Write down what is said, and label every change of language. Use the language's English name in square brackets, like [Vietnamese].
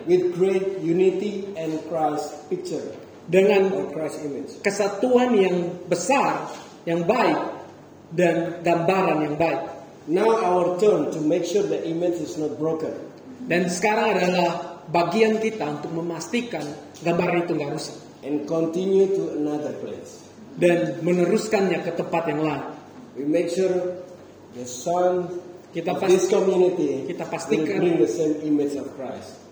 [English] With great unity and Christ picture. Dengan Christ image. [Indonesian] Kesatuan yang besar, yang baik, dan gambaran yang baik. [English] Now our turn to make sure the image is not broken. [Indonesian] Dan sekarang adalah bagian kita untuk memastikan gambaran itu nggak rusak. [English] And continue to another place. [Indonesian] Dan meneruskannya ke tempat yang lain. [English] We make sure the son [Indonesian] kita [English] of this community, [Indonesian] kita pastikan [English] bring the same image of Christ.